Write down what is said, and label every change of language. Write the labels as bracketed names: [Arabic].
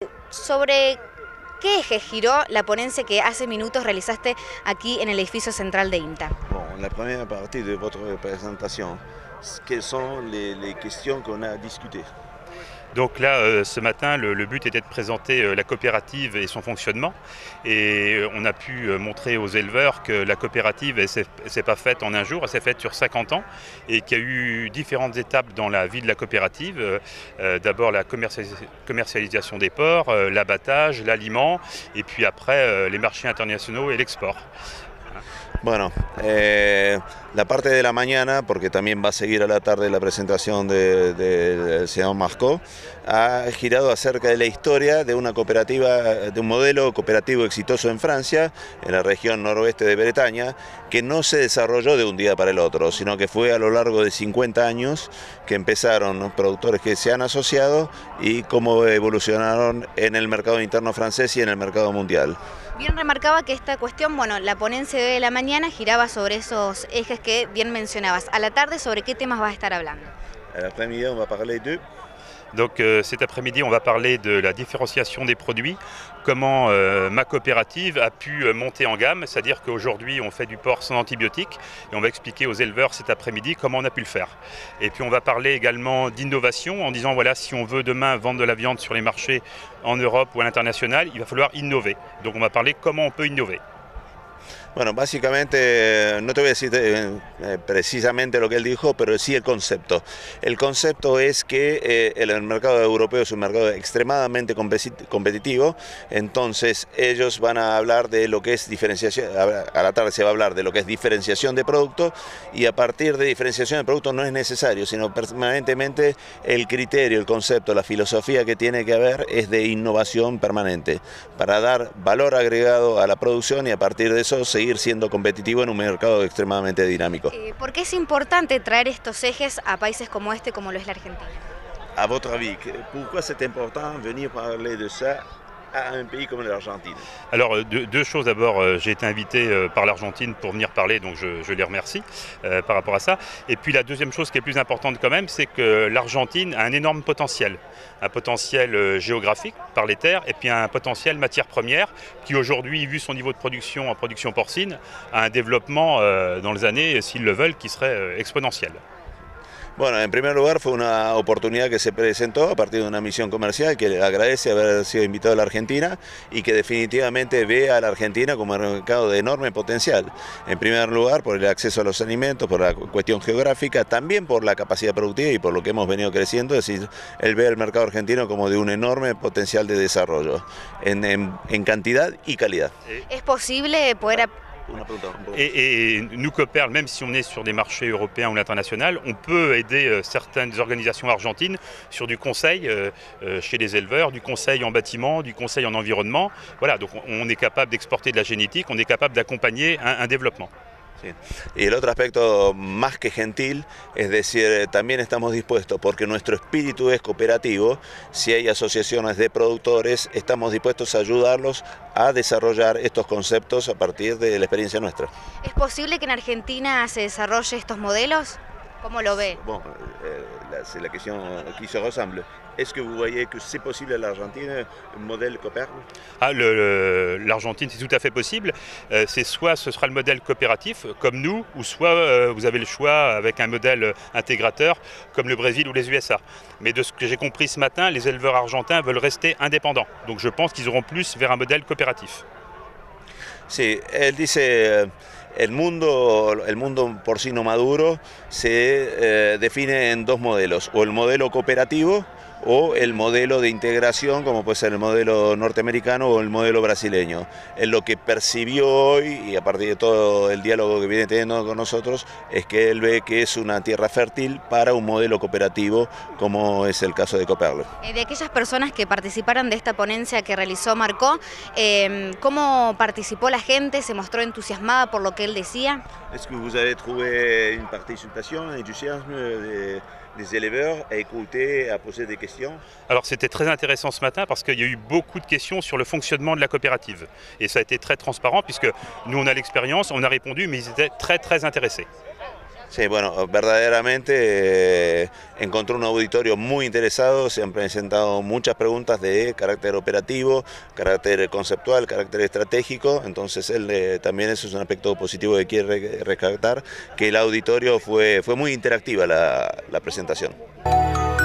[Spanish] ¿Sobre qué eje giró la ponencia que hace minutos realizaste aquí en el edificio central de INTA? Bueno, la primera parte de vuestra presentación, ¿qué son las cuestiones que hemos discutido? [French] Donc là, ce matin, le but était de présenter la coopérative et son fonctionnement. Et on a pu montrer aux éleveurs que la coopérative ne s'est pas faite en un jour, elle s'est faite sur 50 ans et qu'il y a eu différentes étapes dans la vie de la coopérative. D'abord la commercialisation des porcs, l'abattage, l'aliment et puis après les marchés internationaux et l'export. [Spanish] Bueno, la parte de la mañana, porque también va a seguir a la tarde la presentación del señor Marco, ha girado acerca de la historia de una cooperativa, de un modelo cooperativo exitoso en Francia, en la región noroeste de Bretaña, que no se desarrolló de un día para el otro, sino que fue a lo largo de 50 años que empezaron los productores que se han asociado y cómo evolucionaron en el mercado interno francés y en el mercado mundial. Bien remarcaba que esta cuestión, bueno, la ponencia de la mañana giraba sobre esos ejes que bien mencionabas. A la tarde, ¿sobre qué temas vas a estar hablando? [French] El après-midi, on va parler de... Donc cet après-midi, on va parler de la différenciation des produits, comment ma coopérative a pu monter en gamme, c'est-à-dire qu'aujourd'hui, on fait du porc sans antibiotiques, et on va expliquer aux éleveurs cet après-midi comment on a pu le faire. Et puis on va parler également d'innovation, en disant, voilà, si on veut demain vendre de la viande sur les marchés en Europe ou à l'international, il va falloir innover. Donc on va parler comment on peut innover. [Spanish] Bueno, básicamente, no te voy a decir precisamente lo que él dijo, pero sí el concepto. El concepto es que el mercado europeo es un mercado extremadamente competitivo, entonces ellos van a hablar de lo que es diferenciación, a la tarde se va a hablar de lo que es diferenciación de producto, y a partir de diferenciación de producto no es necesario, sino permanentemente el criterio, el concepto, la filosofía que tiene que haber es de innovación permanente, para dar valor agregado a la producción y a partir de eso seguir siendo competitivo en un mercado extremadamente dinámico. ¿Por qué es importante traer estos ejes a países como este, como lo es la Argentina? [French] A votre avis, pourquoi c'est important venir parler de ça à un pays comme l'Argentine? Alors, deux choses. D'abord, j'ai été invité par l'Argentine pour venir parler, donc je les remercie par rapport à ça. Et puis la deuxième chose qui est plus importante quand même, c'est que l'Argentine a un énorme potentiel. Un potentiel géographique par les terres et puis un potentiel matière première qui aujourd'hui, vu son niveau de production en production porcine, a un développement dans les années, s'ils le veulent, qui serait exponentiel. [Spanish] Bueno, en primer lugar fue una oportunidad que se presentó a partir de una misión comercial que le agradece haber sido invitado a la Argentina y que definitivamente ve a la Argentina como un mercado de enorme potencial. En primer lugar por el acceso a los alimentos, por la cuestión geográfica, también por la capacidad productiva y por lo que hemos venido creciendo, es decir, él ve al mercado argentino como de un enorme potencial de desarrollo en cantidad y calidad. ¿Es posible poder... [French] Et nous coopèrent, même si on est sur des marchés européens ou internationaux, on peut aider certaines organisations argentines sur du conseil chez les éleveurs, du conseil en bâtiment, du conseil en environnement. Voilà, donc on est capable d'exporter de la génétique, on est capable d'accompagner un développement. [Spanish] Y el otro aspecto más que gentil, es decir, también estamos dispuestos, porque nuestro espíritu es cooperativo, si hay asociaciones de productores, estamos dispuestos a ayudarlos a desarrollar estos conceptos a partir de la experiencia nuestra. ¿Es posible que en Argentina se desarrolle estos modelos? ¿Cómo lo ve? Bueno, la cuestión que se ressemble. [French] Est-ce que vous voyez que c'est possible à l'Argentine, un modèle coopératif? Ah, l'Argentine, c'est tout à fait possible. C'est soit ce sera le modèle coopératif, comme nous, ou soit vous avez le choix avec un modèle intégrateur, comme le Brésil ou les USA. Mais de ce que j'ai compris ce matin, les éleveurs argentins veulent rester indépendants. Donc je pense qu'ils auront plus vers un modèle coopératif. Si, elle dit c'est... [Spanish] El mundo porcino maduro se define en dos modelos, o el modelo cooperativo o el modelo de integración, como puede ser el modelo norteamericano o el modelo brasileño. En lo que percibió hoy, y a partir de todo el diálogo que viene teniendo con nosotros, es que él ve que es una tierra fértil para un modelo cooperativo, como es el caso de Cooperlo. De aquellas personas que participaron de esta ponencia que realizó Marco, ¿cómo participó la gente? ¿Se mostró entusiasmada por lo que él decía? [French] ¿Es que vous avez trouvé une participation, un entusiasmo de... des éleveurs à écouter, à poser des questions? Alors c'était très intéressant ce matin parce qu'il y a eu beaucoup de questions sur le fonctionnement de la coopérative. Et ça a été très transparent puisque nous on a l'expérience, on a répondu, mais ils étaient très très intéressés. [Spanish] Sí, bueno, verdaderamente encontró un auditorio muy interesado. Se han presentado muchas preguntas de carácter operativo, carácter conceptual, carácter estratégico. Entonces, también eso es un aspecto positivo que quiere rescatar, que el auditorio fue muy interactiva la presentación.